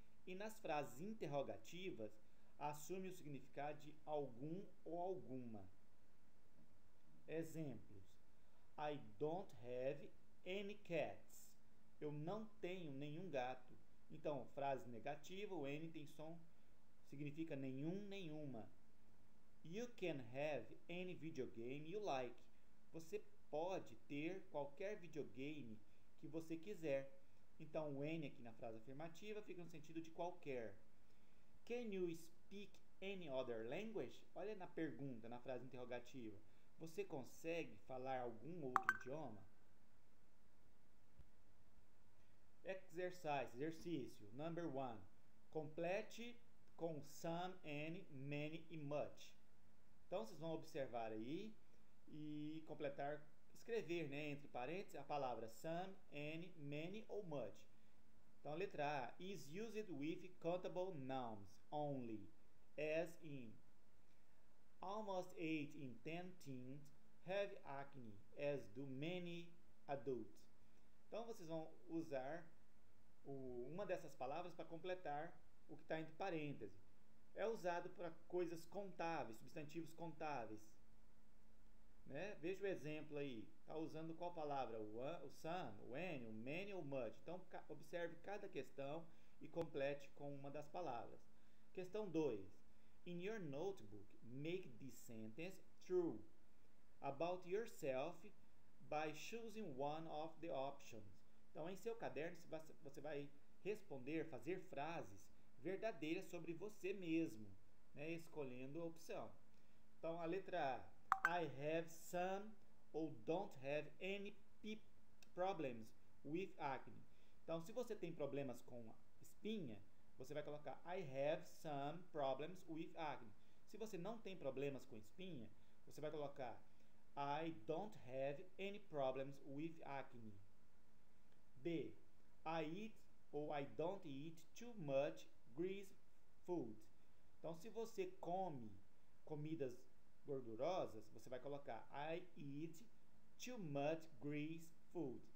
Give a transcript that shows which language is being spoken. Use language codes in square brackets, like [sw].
[pt] E nas frases interrogativas, assume o significado de algum ou alguma. Exemplos. [en] I don't have any cats. [pt] Eu não tenho nenhum gato. Então, frase negativa, o any tem som, significa nenhum, nenhuma. [en] You can have any video game you like. [pt] Você pode ter qualquer videogame que você quiser. Então, o any aqui na frase afirmativa fica no sentido de qualquer. [en] Can you speak any other language? [pt] Olha na pergunta, na frase interrogativa. Você consegue falar algum outro idioma? Exercício. [en] Number one. [pt] Complete com some, any, many e much. Então, vocês vão observar aí e completar, escrever, né, entre parênteses, a palavra some, any, many ou much. Então, a letra A. [en] Is used with countable nouns only, as in. Almost 8 in 10 teens have acne, as do many adult. [pt] Então vocês vão usar uma dessas palavras para completar o que está entre parênteses. É usado para coisas contáveis, substantivos contáveis, né? Veja o exemplo aí. Está usando qual palavra? O some, o any, o many ou much. Então observe cada questão e complete com uma das palavras. Questão 2. [en] In your notebook, make this sentence true about yourself by choosing one of the options. [pt] Então, em seu caderno, você vai responder, fazer frases verdadeiras sobre você mesmo, né, escolhendo a opção. Então, a letra A. [en] I have some or don't have any problems with acne. [pt] Então, se você tem problemas com espinha, você vai colocar [en] I have some problems with acne. [pt] Se você não tem problemas com espinha, você vai colocar [en] I don't have any problems with acne. [pt] B. [en] I eat or I don't eat too much greasy food. [pt] Então, se você come comidas gordurosas, você vai colocar [en] I eat too much greasy food.